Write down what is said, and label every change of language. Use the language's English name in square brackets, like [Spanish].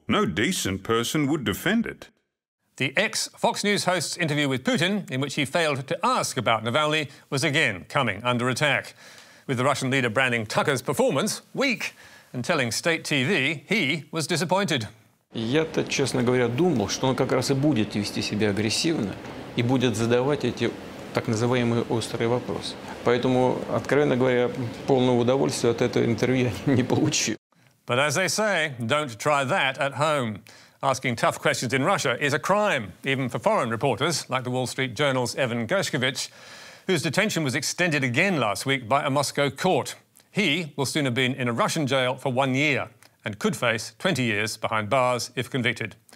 [English] No decent person would defend it. The ex-Fox News host's interview with Putin, in which he failed to ask about Navalny, was again coming under attack, with the Russian leader branding Tucker's performance weak and telling state TV he was disappointed. [Russian] Я-то, честно говоря, думал, что он как раз и будет вести себя агрессивно и будет задавать эти так называемые острые вопросы. Поэтому, откровенно говоря, полного удовольствия от этого интервью не получил. [English] But as they say, don't try that at home. Asking tough questions in Russia is a crime, even for foreign reporters, like the Wall Street Journal's Evan Gershkovich, whose detention was extended again last week by a Moscow court. He will soon have been in a Russian jail for 1 year and could face 20 years behind bars if convicted.